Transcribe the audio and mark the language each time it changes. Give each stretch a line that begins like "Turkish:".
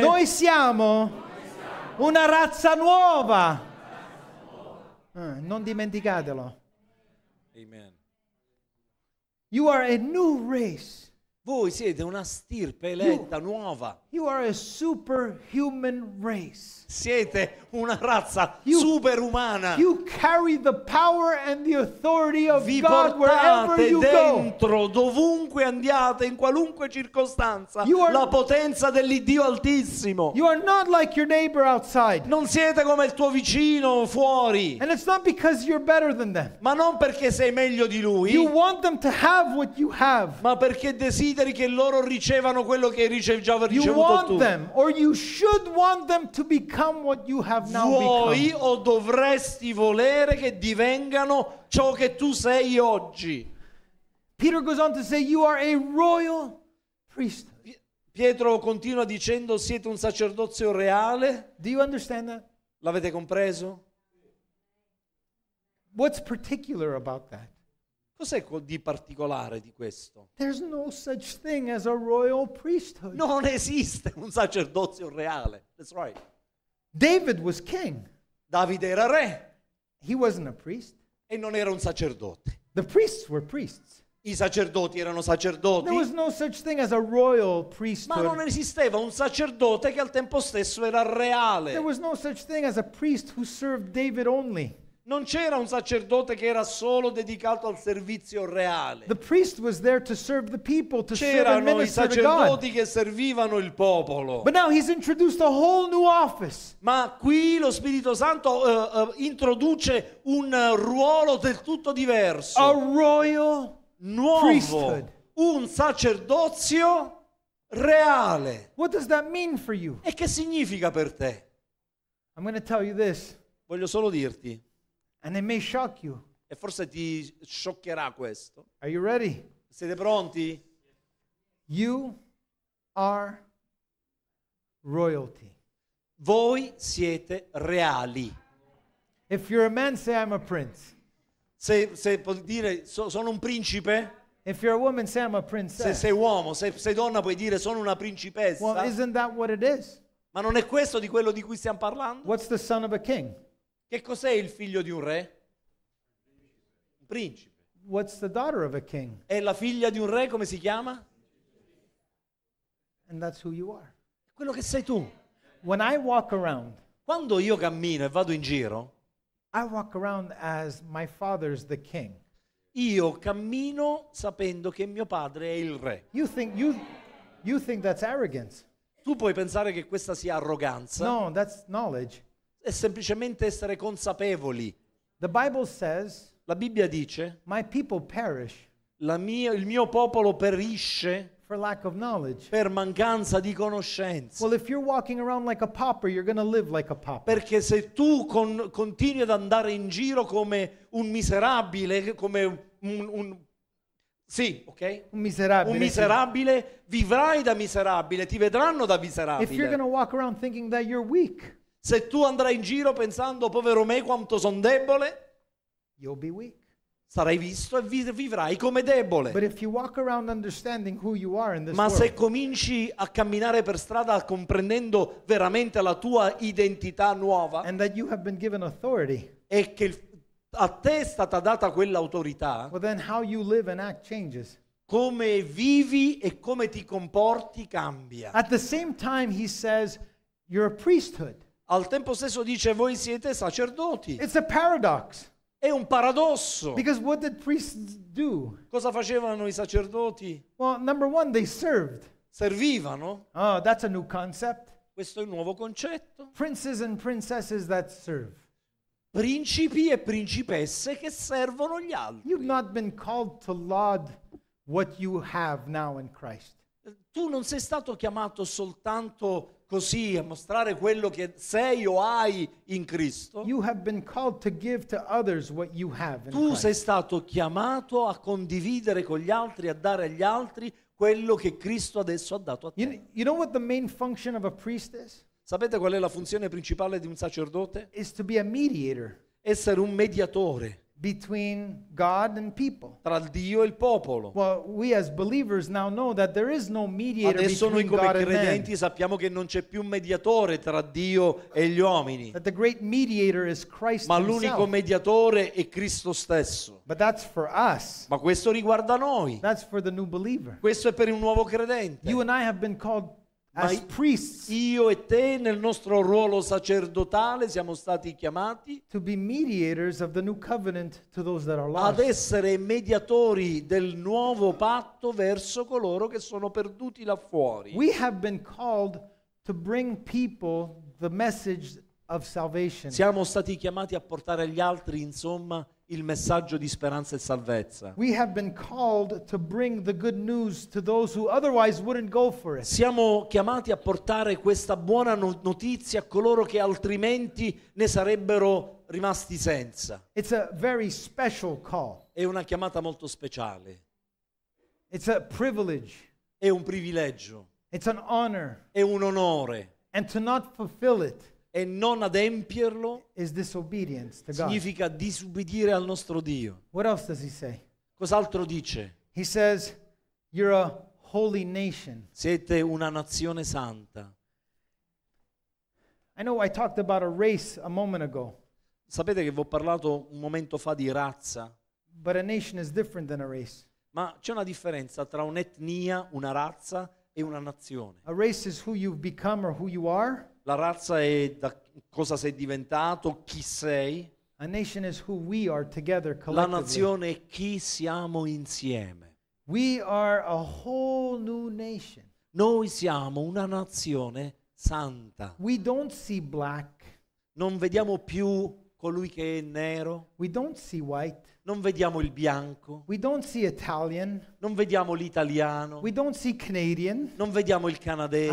Italian: noi siamo una razza nuova. Non dimenticatelo. Amen.
English: You are a new race.
Italian: Voi siete una stirpe eletta, nuova.
English: You are a superhuman race.
Italian: Siete una razza superumana.
English: You carry the power and the authority of
Italian: vi
English: God wherever you
Italian: dentro,
English: go.
Italian: Vi portate dentro, dovunque andiate, in qualunque circostanza, la potenza dell'Iddio Altissimo.
English: You are not like your neighbor outside.
Italian: Non siete come il tuo vicino fuori.
English: And it's not because you're better than them.
Italian: Ma non perché sei meglio di lui.
English: You want them to have what you have.
Italian: Ma perché desideri che loro ricevano quello che ricevi già ricevuto tu.
English: You want them, or you should want them to become what you have now become.
Italian: Vuoi o dovresti volere che divengano ciò che tu sei oggi.
English: Peter goes on to say, you are a royal priest.
Italian: Pietro continua dicendo, siete un sacerdozio reale.
English: Do you understand that?
Italian: L'avete compreso?
English: What's particular about that?
Italian: Cos'è di particolare di questo?
English: There's no such thing as a royal priesthood.
Italian: Non esiste un sacerdozio reale.
English: That's right. David was king.
Italian: Davide era re.
English: He wasn't a priest.
Italian: E non era un sacerdote.
English: The priests were priests.
Italian: I sacerdoti erano sacerdoti.
English: There was no such thing as a royal priesthood.
Italian: Ma non esisteva un sacerdote che al tempo stesso era reale.
English: There was no such thing as a priest who served David only.
Italian: Non c'era un sacerdote che era solo dedicato al servizio reale.
English: The priest was there to serve the people, to
Italian: c'erano
English: serve and minister
Italian: i sacerdoti che servivano il popolo.
English: But now he's introduced a whole new office.
Italian: Ma qui lo Spirito Santo introduce un ruolo del tutto diverso.
English: A royal
Italian: nuovo
English: priesthood.
Italian: Un sacerdozio reale.
English: What does that mean for you?
Italian: E che significa per te?
English: I'm going to tell you this.
Italian: Voglio solo dirti.
English: And it may shock you.
Italian: E forse ti scioccherà questo.
English: Are you ready?
Italian: Siete pronti?
English: You are royalty.
Italian: Voi siete reali.
English: If you're a man, say I'm a prince.
Italian: Se puoi dire sono un principe.
English: If you're a woman, say I'm a princess.
Italian: Se sei uomo, se sei donna, puoi dire sono una principessa.
English: Well, isn't that what it is?
Italian: Ma non è questo di quello di cui stiamo parlando?
English: What's the son of a king?
Italian: Che cos'è il figlio di un re? Un principe.
English: What's the daughter of a king?
Italian: È la figlia di un re, come si chiama?
English: And that's who you are.
Italian: Quello che sei tu.
English: When I walk around,
Italian: quando io cammino e vado in giro,
English: I walk around as my father's the king.
Italian: Io cammino sapendo che mio padre è il re.
English: You think that's arrogance.
Italian: Tu puoi pensare che questa sia arroganza.
English: No, that's knowledge.
Italian: È semplicemente essere consapevoli.
English: The Bible says,
Italian: la Bibbia dice,
English: my people perish.
Italian: Il mio popolo perisce
English: for lack of knowledge.
Italian: Per mancanza di conoscenza.
English: Well, if you're walking around like a pauper, you're going to live like a pauper.
Italian: Perché se tu continui ad andare in giro come un miserabile, come un sì, ok? Un miserabile, sì. Vivrai da miserabile, ti vedranno da miserabile.
English: If you're going to walk around thinking that you're weak,
Italian: se tu andrai in giro pensando povero me quanto son debole,
English: you'll be weak.
Italian: Sarai visto e vivrai come debole.
English: But if you walk around understanding who you are in this
Italian: ma
English: world,
Italian: se cominci a camminare per strada comprendendo veramente la tua identità nuova,
English: and that you have been given authority,
Italian: e che a te è stata data quell'autorità,
English: well then how you live and act changes.
Italian: Come vivi e come ti comporti cambia.
English: At the same time he says you're a priesthood.
Italian: Al tempo stesso dice voi siete sacerdoti.
English: It's a paradox.
Italian: È un paradosso.
English: Because what did priests do?
Italian: Cosa facevano i sacerdoti?
English: Well, number one, they served.
Italian: Servivano.
English: Oh, that's a new concept.
Italian: Questo è un nuovo concetto.
English: Princes and princesses that serve.
Italian: Principi e principesse che servono gli altri.
English: You've not been called to laud what you have now in Christ.
Italian: Tu non sei stato chiamato soltanto così a mostrare quello che sei o hai in Cristo.
English: You have been called to give to others what you have in Christ.
Italian: Tu sei stato chiamato a condividere con gli altri, a dare agli altri quello che Cristo adesso ha dato a te.
English: You know what the main function of a priest is?
Italian: Sapete qual è la funzione principale di un sacerdote?
English: Is to be a mediator.
Italian: Essere un mediatore.
English: Between God and people.
Italian: Tra Dio e il popolo.
English: Well, we as believers now know that there is no mediator
Italian: adesso
English: between
Italian: noi come
English: God
Italian: credenti
English: and men.
Italian: Sappiamo che non c'è più mediatore tra Dio e gli uomini.
English: That the great mediator is Christ himself.
Italian: Ma l'unico mediatore è Cristo stesso.
English: But that's for us.
Italian: Ma questo riguarda noi.
English: That's for the new believer.
Italian: Questo è per un nuovo credente.
English: You and I have been called as priests.
Italian: Io e te nel nostro ruolo sacerdotale siamo stati chiamati
English: to be mediators of the new covenant to those that are lost.
Italian: Ad essere mediatori del nuovo patto verso coloro che sono perduti là fuori.
English: We have been called to bring people the message of salvation.
Italian: Siamo stati chiamati a portare agli altri, insomma, il messaggio di speranza e salvezza.
English: We have been called to bring the good news to those who otherwise wouldn't go for it.
Italian: Siamo chiamati a portare questa buona notizia a coloro che altrimenti ne sarebbero rimasti senza.
English: It's a very special call.
Italian: È una chiamata molto speciale.
English: It's a privilege.
Italian: È un privilegio.
English: It's an honor.
Italian: È un onore.
English: And to not fulfill it.
Italian: E non adempierlo
English: is disobedience to God.
Italian: Significa disubbidire al nostro Dio.
English: What else does he say?
Italian: Cos'altro dice?
English: He says, "You're a holy nation."
Italian: Siete una nazione santa.
English: I know I talked about a race a moment ago.
Italian: Sapete che vi ho parlato un momento fa di razza.
English: But a nation is different than a race.
Italian: Ma c'è una differenza tra un'etnia, una razza e una nazione.
English: A race is who you've become or who you are.
Italian: La razza è da cosa sei diventato, chi sei.
English: A nation is who we are together collectively.
Italian: La nazione è chi siamo insieme.
English: We are a whole new nation.
Italian: Noi siamo una nazione santa.
English: We don't see black.
Italian: Non vediamo più colui che è nero.
English: We don't see white.
Italian: Non vediamo il bianco.
English: We don't see Italian.
Italian: Non vediamo l'italiano.
English: We don't see Canadian.
Italian: Non vediamo il canadese.